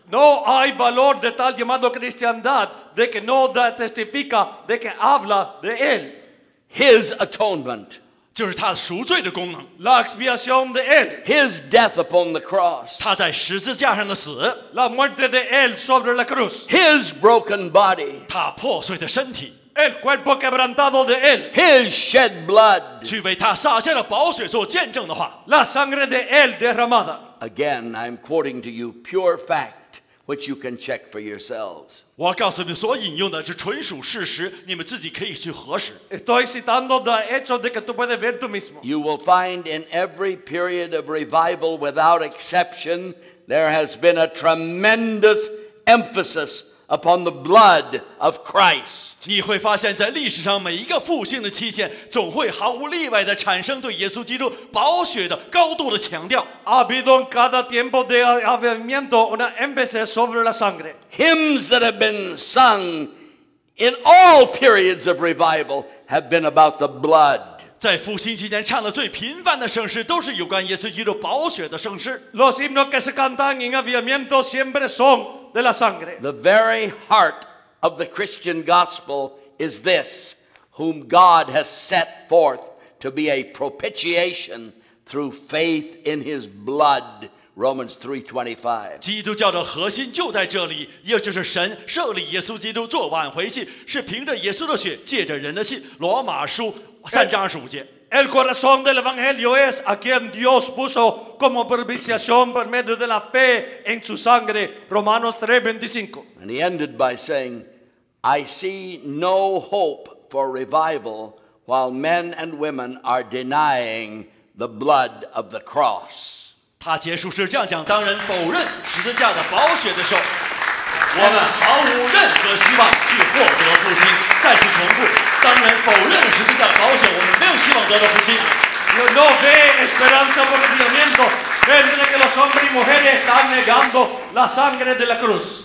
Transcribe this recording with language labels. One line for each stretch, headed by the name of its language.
Spanish: No hay valor de tal llamado cristiandad de que no da testifica de que habla de él.
English: His atonement.
Chinese: 就是他赎罪的功能。
Spanish: La expiación de él.
English: His death upon the cross.
Chinese: 他在十字架上的死。
Spanish: La muerte de él sobre la cruz.
English: His broken body.
Chinese: 他破碎的身体。
Spanish: El cuerpo quebrantado de él.
English: His shed blood.
Chinese: 去为他洒下的宝血做见证的话。
Spanish: La sangre de él derramada.
English: Again, I'm quoting to you pure fact. Which you can check for yourselves.
Chinese: 我告诉你所引用的是纯属事实，你们自己可以去核实。
Spanish: Estoy citando el hecho de que tú puedes ver tú mismo.
English: You will find in every period of revival, without exception, there has been a tremendous emphasis upon the blood of Christ.
Chinese: 你会发现在历史上每一个复兴的期间，总会毫无例外地产生对耶稣基督宝血的高度的强调。
Spanish: Ha habido en cada tiempo de avivamiento una emphasis sobre la sangre.
English: Hymns that have been sung in all periods of revival have been about the blood.
Chinese: 在复兴期间唱的最频繁的圣诗都是有关耶稣基督宝血的圣诗。
Spanish: Los himnos que se cantan en avivamiento siempre son de la sangre.
English: The very heart of the Christian gospel is this, whom God has set forth to be a propitiation through faith in his blood, Romans 3:25.
Chinese: 基督教的核心就在这里，也就是神设立耶稣基督做挽回祭，是凭着耶稣的血，借着人的信，罗马书3:25.
Spanish: El corazón del evangelio es a quien Dios puso como propiciación por medio de la fe en su sangre, Romanos 3:25.
English: And he ended by saying, I see no hope for revival while men and women are denying the blood of the cross.
Chinese: 他结束式这样讲，当然否认十字架的宝血的时候，我们毫无任何希望去获得复兴。再次重复，当然否认十字架的宝血，我们没有希望得到复兴。
Spanish: Yo no ve esperanza por el movimiento. Vendré que los hombres y mujeres están negando la sangre de la cruz.